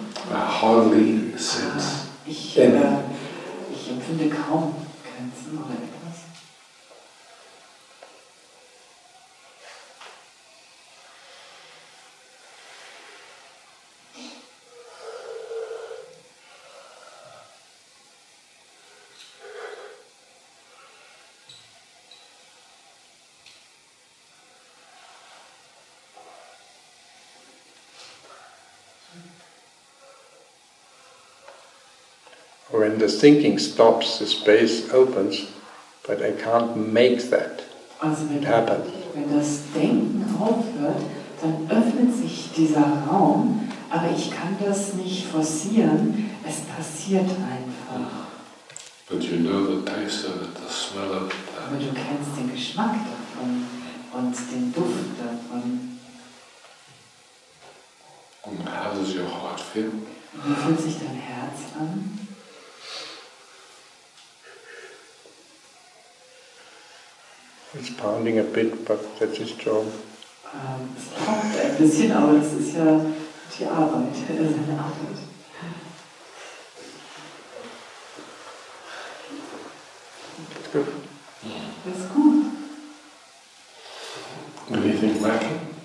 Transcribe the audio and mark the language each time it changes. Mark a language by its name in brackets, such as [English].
[English] I hardly sense anything. [German] Ich empfinde kaum Grenzen oder etwas. [English] When the thinking stops, the space opens, but I can't make that happen. [German] Wenn das Denken aufhört, dann öffnet sich dieser Raum, aber ich kann das nicht forcieren, es passiert einfach. [English] But you know the taste of it, the smell of it. [German] Aber du kennst den Geschmack davon und den Duft davon. [English] And how does your heart feel? [German] Wie fühlt sich dein Herz an? [English] It's pounding a bit, but that's his job. [German] Es pocht ein bisschen, aber das ist ja die Arbeit, seine Arbeit. [English] It's good. [German] Ist gut. [English] We anything lacking?